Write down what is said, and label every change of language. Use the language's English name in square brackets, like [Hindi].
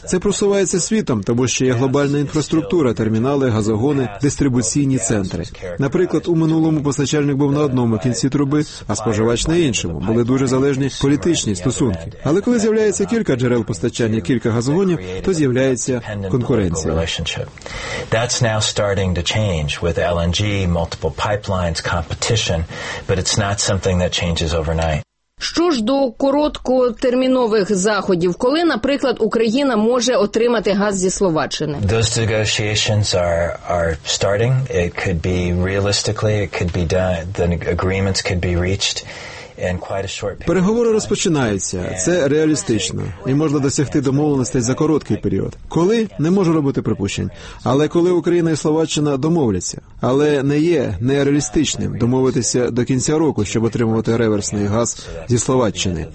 [Ukrainian] Це просувається світом, тому що є глобальна інфраструктура, термінали, газогони, дистрибуційні центри. Наприклад, у минулому постачальник був на одному кінці труби, а споживач на іншому. Були дуже залежні політичні стосунки. Але коли з'являється кілька джерел постачання, кілька газогонів, то з'являється конкуренція. [English] Relationship. That's now starting to change with LNG, multiple pipelines, competition, but it's not something that changes overnight. [Ukrainian] Що ж до короткотермінових заходів, коли, наприклад, Україна може отримати газ зі Словаччини? [English] Those negotiations are starting. It could be realistically, it could be done, the agreements could be reached. [Ukrainian] Переговори розпочинаються. Це реалістично. І можна досягти домовленостей за короткий період. Коли? Не можу робити припущень. Але коли Україна і Словаччина домовляться. Але не є нереалістичним домовитися до кінця року, щоб отримувати реверсний газ зі Словаччини.